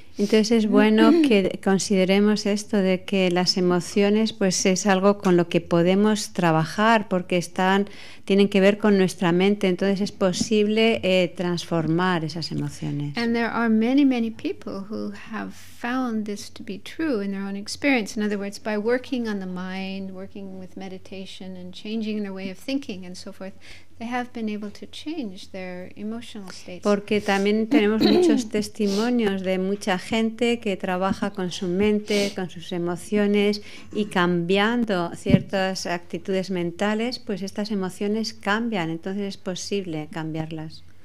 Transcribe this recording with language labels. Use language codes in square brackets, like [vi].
[es] Entonces es bueno que consideremos esto de que las emociones pues es algo con lo que podemos trabajar porque tienen que ver con nuestra mente, entonces es posible transformar esas emociones. [en] And there are many, many people who have found this to be true in their own experience. In other words, by working on the mind, working with meditation and changing their way of thinking and so forth, they have been able to change their emotional states. [es] Porque también tenemos muchos testimonios de mucha gente que trabaja con su mente, con sus emociones y cambiando ciertas actitudes mentales, pues estas emociones cambian, entonces es posible cambiarlas.